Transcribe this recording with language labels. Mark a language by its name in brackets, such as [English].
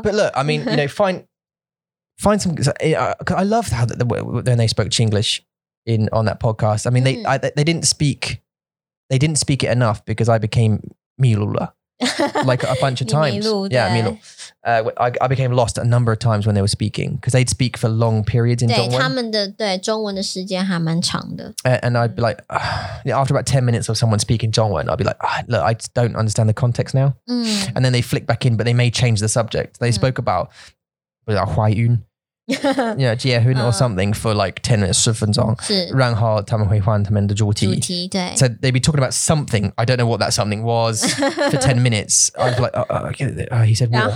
[English] But look, I mean, you know, find some, I love how when they spoke Chinglish on that podcast. I mean, they didn't speak it enough because I became Milula, like a bunch of times. Milula. I became lost a number of times when they were speaking because they'd speak for long periods in [Chinese] 中文。对，中文的时间还蛮长的。 [English] And I'd be like, after about 10 minutes of someone speaking 中文, I'd be like, look, I don't understand the context now. And then they flick back in, but they may change the subject. They spoke about, was it 怀孕?Yeah, 结婚 or something for like 10 minutes, [Chinese] 10分钟。然后他们会换他们的主题。对。 [English] So they'd be talking about something. I don't know what that something was for 10 minutes. I'd be like, he said war.